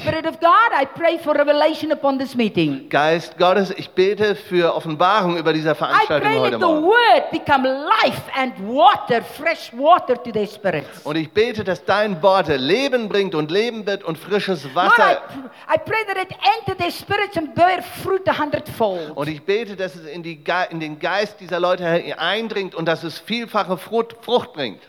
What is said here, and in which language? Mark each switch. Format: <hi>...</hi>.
<en>Spirit of God, I pray for revelation upon this meeting.</en> <de>Geist Gottes, ich bete für Offenbarung über dieser Veranstaltung heute Morgen.</de> <en>I pray that the word become life and water, fresh water to their spirits.</en> <de>Und ich bete, dass dein Wort Leben bringt und Leben wird und frisches Wasser.</de> <en>I pray that it enter their spirits and bear fruit 100-fold.</en> <de>Und ich bete, dass es in den Geist dieser Leute eindringt und dass es vielfache Frucht bringt.</de>